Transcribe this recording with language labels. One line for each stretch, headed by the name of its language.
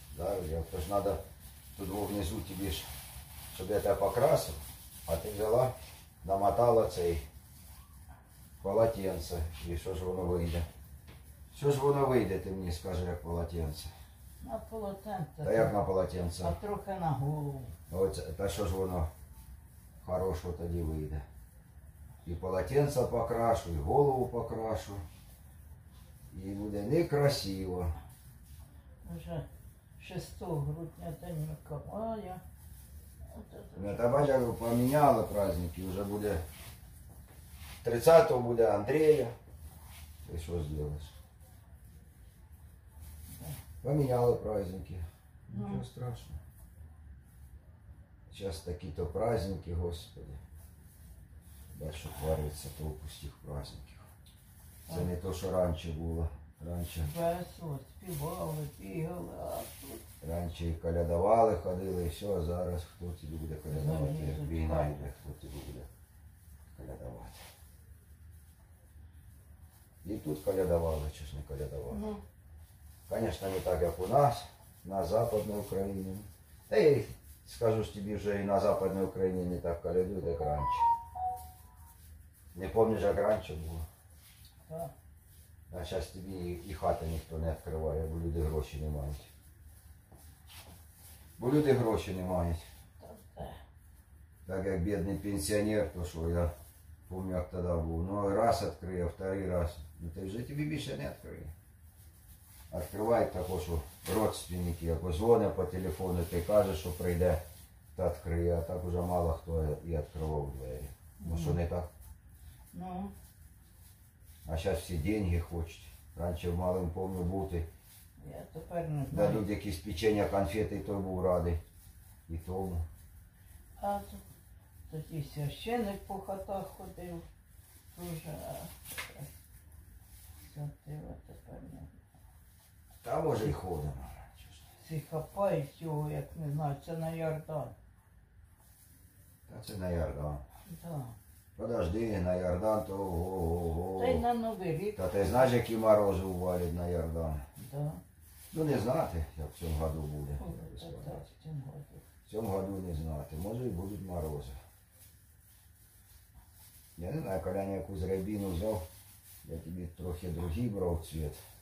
Russian: Да, я тоже надо тут внизу тебе, чтобы я тебя покрасил. А ты взяла, намотала цей полотенце. И что же оно выйдет? Что же оно выйдет, ты мне скажи, как полотенце. На полотенце.
Ukrainian: А як на полотенце? А трохи на голову. Ось, та що ж воно хорошого тоді вийде. І полотенце покрашу, і голову покрашу. І буде некрасиво. Вже 6 грудня день Миколая. Ось це. Та бачу, як поміняли праздники. Вже буде 30-го буде Андрія. Ти що зробиш?
Russian: Поменяли праздники. Ничего страшного. Сейчас такие-то праздники, Господи. Дальше творится толку с тех праздников. Это не то, что раньше было. Раньше.
Ukrainian: Співали, бігали, а тут.
Russian: Раньше и колядовали, ходили, и все,
Ukrainian: а зараз
Russian: кто тебе буде колядовать?
Ukrainian: Війна йде, хто тебе буде колядовать.
Russian: И тут колядовали, чи ж не колядовали. Конечно, не так, как у нас, на Западной Украине. Да и скажу тебе, уже и на Западной Украине не так колядуют, как раньше. Не помнишь, как раньше было? Да. А сейчас тебе и хата никто не открывает,
Ukrainian: бо люди гроши не мают. Бо люди гроши не мают.
Russian: Так как бедный пенсионер, то что я помню, как тогда был. Ну, раз открыл, второй раз. Ну, ты же тебе больше не открыл. Открывают також родственники, как звонят по телефону, ты кажешь, что прийде,
Ukrainian: та открыє,
Russian: а так уже мало кто и открывал двери. Ну что не так? Ну. А сейчас все деньги хочет. Раньше малым помню бути. Я теперь не знаю. Дадут
Ukrainian: якісь
Russian: печенья, конфеты, и то
Ukrainian: був радий.
Russian: И тому.
Ukrainian: А тоді священник по хатах ходив.
Russian: Тоже.
Ukrainian: Святиво тепер не. Та може й ходимо. Ці хапає цього, як не знаю, це на Йордан. Та це на Йордан. Так. Да.
Russian: Подожди, на Йордан, то ого-го.
Ukrainian: Та й на Новий рік. Та ти знаєш, які морози увалять на Йордан? Так. Да. Ну не знати, як в цьому году буде. Так, в цьому году не знати. Може й будуть морози. Я не знаю, коли я якусь рябину взяв, я тобі трохи другий брав цвіт.